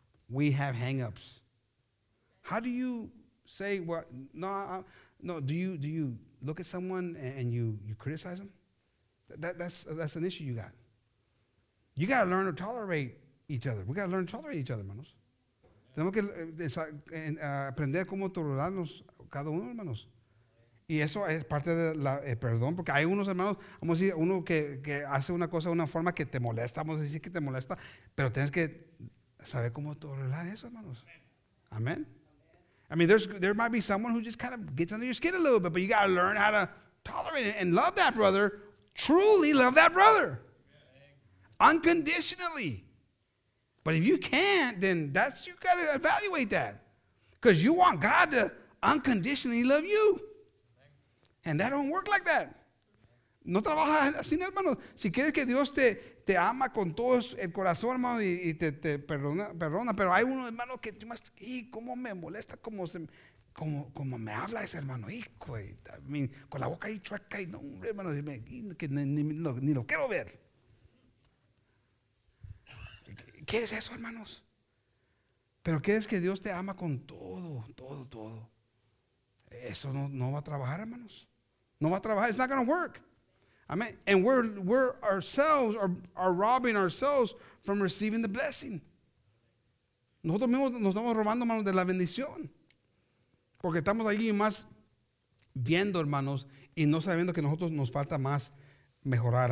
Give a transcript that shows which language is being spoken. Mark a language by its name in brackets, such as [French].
[English] We have hang-ups. How do you say, do you look at someone and you criticize them? That's an issue you got. You got to learn to tolerate each other. We got to learn to tolerate each other, manos. [Spanish] Tenemos que aprender cómo tolerarnos cada uno, hermanos. Y eso es parte del perdón, porque hay unos hermanos, vamos a decir, uno que hace una cosa de una forma que te molesta, vamos a decir que te molesta, pero tienes que saber cómo tolerar eso, hermanos. Amén. [English] I mean, there might be someone who just kind of gets under your skin a little bit, but you got to learn how to tolerate it and love that brother, truly love that brother, unconditionally. But if you can't, then that's, you got to evaluate that. Because you want God to unconditionally love you. And that don't work like that. [Spanish] No trabaja así, hermano. Si quieres que Dios te ama con todo el corazón, hermano, y te perdona. Pero hay uno, hermano, que tú más, y cómo me molesta, cómo me habla ese hermano. Hijo, I mean, con la boca ahí chueca, y no, hermano, que ni lo quiero ver. ¿Qué es eso, hermanos? ¿Pero qué es que Dios te ama con todo? Eso no va a trabajar, hermanos. No va a trabajar. [English] It's not going to work. [Spanish] Amen. [English] And we're ourselves are robbing ourselves from receiving the blessing. [Spanish] Nosotros mismos nos estamos robando, hermanos, de la bendición. Porque estamos allí más viendo, hermanos, y no sabiendo que nosotros nos falta más mejorar.